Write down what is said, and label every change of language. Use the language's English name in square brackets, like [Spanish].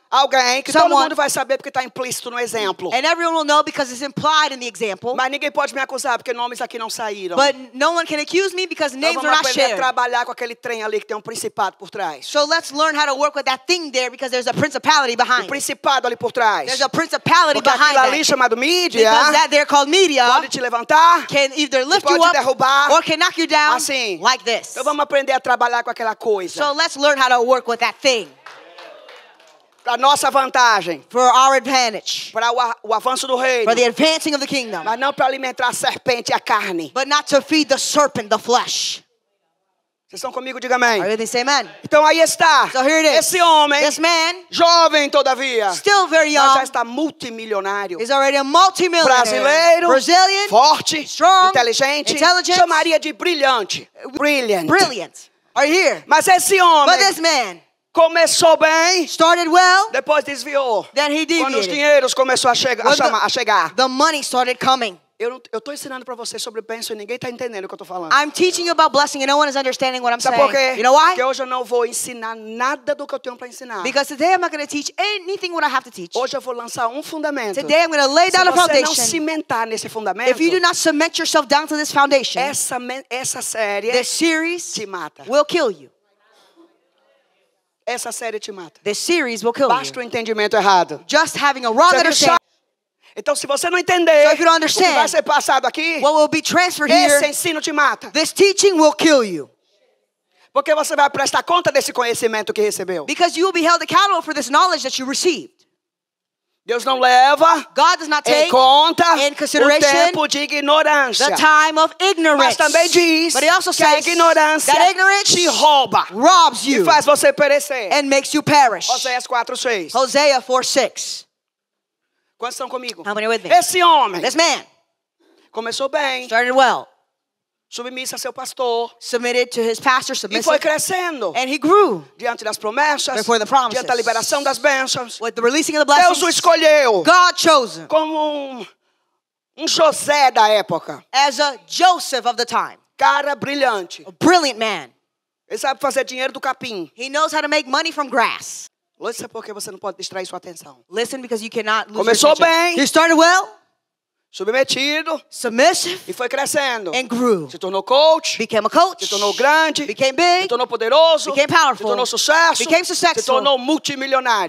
[Portuguese] Alguém que todo mundo vai saber porque está implícito no exemplo. [English] And everyone will know because it's implied in the example. [Portuguese] Mas ninguém pode me acusar porque nomes aqui não saíram. [English] But no one can accuse me because names are not shared. [Portuguese] Então vamos aprender a trabalhar com aquele trem ali que tem um principado por trás. [English] So let's learn how to work with that thing there because there's a principality behind. [Portuguese] O principado ali por trás. [English] There's a principality [Portuguese] porque [English] behind that. [Portuguese] Porque aquilo ali chamado mídia. [English] Because that there called media. [Portuguese] Pode te levantar. [English] Can either lift you up. [Portuguese] Pode derrubar. [English] Or can knock you down. [Portuguese] Assim. [English] Like this. [Portuguese] Então vamos aprender a trabalhar com aquela coisa. [English] So let's learn how to work with that thing. [Portuguese] Para a nossa vantagem. [English] For our advantage. [Portuguese] Para o avanço do reino. [English] For the advancing of the kingdom. [Portuguese] Mas não para alimentar a serpente e a carne. [English] But not to feed the serpent, the flesh. [Portuguese] Vocês estão comigo? Diga amém. [English] Are you with me? Say amen. [Portuguese] Então aí está. [English] So here it is. [Portuguese] Esse homem. [English] This man. [Portuguese] Jovem todavia. [English] Still very young. [Portuguese] Mas já está multimilionário. [English] He's already a multimillionaire. [Portuguese] Brasileiro. [English] Brazilian. [Portuguese] Forte. [English] Strong. [Portuguese] Inteligente. [English] Intelligent. [Portuguese] Chamaria de brilhante. [English] Brilliant. Brilliant. Are you here? [Portuguese] Mas esse homem. [English] But this man. [Portuguese] Começou bem. [English] Started well. [Portuguese] Depois desviou. [English] Then he deviated. [Portuguese] Quando os dinheiros começou a chegar. [English] The money started coming. [Portuguese] Eu estou ensinando para vocês sobre bênção e ninguém está entendendo o que eu estou falando. [English] I'm teaching you about blessing and no one is understanding what I'm saying. [Portuguese] Sabe por quê? [English] You know why? [Portuguese] Porque hoje eu não vou ensinar nada do que eu tenho para ensinar. [English] Because today I'm not going to teach anything what I have to teach. [Portuguese] Hoje eu vou lançar fundamento. [English] Today I'm going to lay down a foundation. [Portuguese] Se você não cimentar nesse fundamento, [English] if you do not cement yourself down to this foundation, [Portuguese] essa série, [English] this series, [Portuguese] te mata. [English] Will kill you. [Portuguese] Essa série te mata. [English] This series will kill [Portuguese] you. Basta o entendimento errado. [English] Just having a wrong understanding. [Portuguese] Então, se você não entender, [English] so if you don't understand [Portuguese] o que vai ser passado aqui, [English] what will be transferred here, [Portuguese] esse ensino te mata. [English] This teaching will kill you. [Portuguese] Porque você vai prestar conta desse conhecimento que recebeu. [English] Because you will be held accountable for this knowledge that you received. [Portuguese] Deus não leva [English] God does not take [Portuguese] em conta [English] in consideration [Portuguese] o tempo de ignorância. [English] The time of ignorance. [Portuguese] Mas também diz [English] but he also [Portuguese] que [English] says [Portuguese] a ignorância [English] that ignorance [Portuguese] te rouba [English] robs you [Portuguese] e faz você perecer. [English] And makes you perish. Hosea 4:6. [Portuguese] Quantos estão comigo? [English] How many are with me? [Portuguese] Esse homem. [English] This man. [Portuguese] Começou bem. [English] Started well. [Portuguese] Submisso a seu pastor. [English] Submitted to his pastor. Submissive. [Portuguese] E foi crescendo. [English] And he grew. [Portuguese] Diante das promessas. [English] Before the promises. [Portuguese] Diante da liberação das bênçãos. [English] With the releasing of the blessings. [Portuguese] Deus o escolheu. [English] God chose him. [Portuguese] Como um José da época. [English] As a Joseph of the time. [Portuguese] Cara brilhante. [English] A brilliant man. [Portuguese] Ele sabe fazer dinheiro do capim. [English] He knows how to make money from grass. [Portuguese] Listen, porque você não pode distrair sua atenção. [English] Listen because you cannot lose [Portuguese] Começou [English] your attention. [Portuguese] Bem. [English] He started well. [Portuguese] Submetido. [English] Submissive. [Portuguese] E foi crescendo. [English] And grew. [Portuguese] Se tornou coach. [English] Became a coach. [Portuguese] Se tornou grande. [English] Became big. [Portuguese] Se tornou poderoso. [English] Became powerful. [Portuguese] Se tornou sucesso. [English] Became successful. [Portuguese] Se tornou multimilionário.